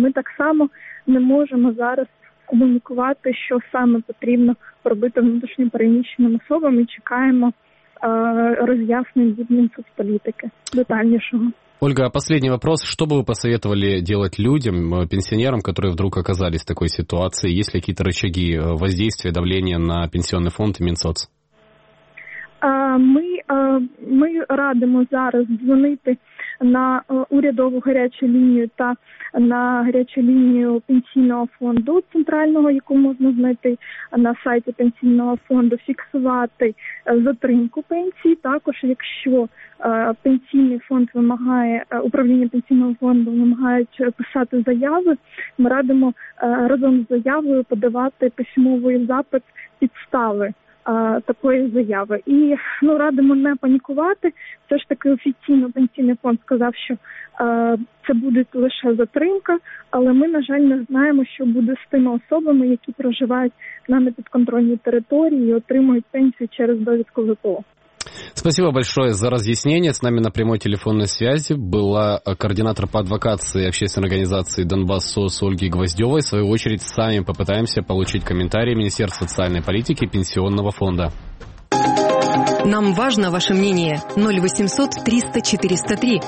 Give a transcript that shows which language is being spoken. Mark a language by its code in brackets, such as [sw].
[uk] Ми так само не можемо зараз комунікувати, що саме потрібно робити внутрішньо переміщеним особам, і чекаємо роз'яснень від Мінсоцполітики детальнішого. [ru] Ольга, а последний вопрос. Что бы вы посоветовали делать людям, пенсионерам, которые вдруг оказались в такой ситуации? Есть ли какие-то рычаги воздействия, давления на пенсионный фонд и Минсоц? [uk] Ми радимо зараз дзвонити на урядову гарячу лінію та на гарячу лінію пенсійного фонду центрального, яку можна знайти на сайті пенсійного фонду, фіксувати затримку пенсії. Також, якщо пенсійний фонд вимагає, управління пенсійного фонду вимагає писати заяви, ми радимо разом з заявою подавати письмовий запит підстави такої заяви. І ну, радимо не панікувати. Все ж таки офіційно пенсійний фонд сказав, що це буде лише затримка, але ми, на жаль, не знаємо, що буде з тими особами, які проживають на непідконтрольній території і отримують пенсію через довідку ВПО. [ru] Спасибо большое за разъяснение. С нами на прямой телефонной связи была координатор по адвокации общественной организации «Донбасс-СОС» Ольги Гвоздевой. В свою очередь, сами попытаемся получить комментарии Министерства социальной политики и Пенсионного фонда. Нам важно ваше мнение. 0800 300 403.